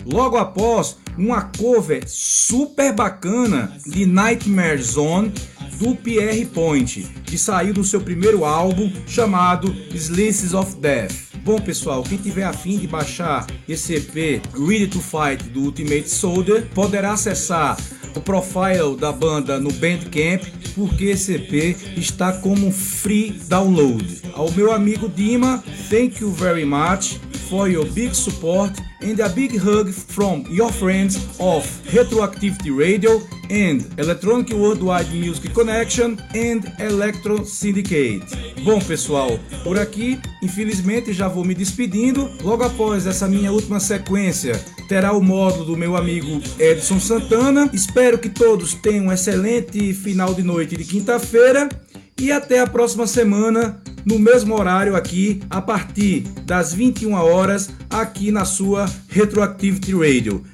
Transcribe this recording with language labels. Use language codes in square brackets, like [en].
[pt] Logo após, uma cover super bacana de Nightmare Zone, do Pierre Point, que saiu do seu primeiro álbum chamado Slices of Death. Bom pessoal, quem tiver afim de baixar esse EP Ready to Fight do Ultimate Soldier, poderá acessar o profile da banda no Bandcamp, porque esse EP está como free download. Ao meu amigo [en] Dima, thank you very much for your big support and a big hug from your friends of Retroactivity Radio and Electronic Worldwide Music Connection and Electro Syndicate. [pt] Bom pessoal, por aqui, infelizmente já vou me despedindo. Logo após essa minha última sequência, terá o módulo do meu amigo Edson Santana. Espero que todos tenham um excelente final de noite de quinta-feira e até a próxima semana, no mesmo horário aqui, a partir das 21 horas, aqui na sua Retroactivity Radio.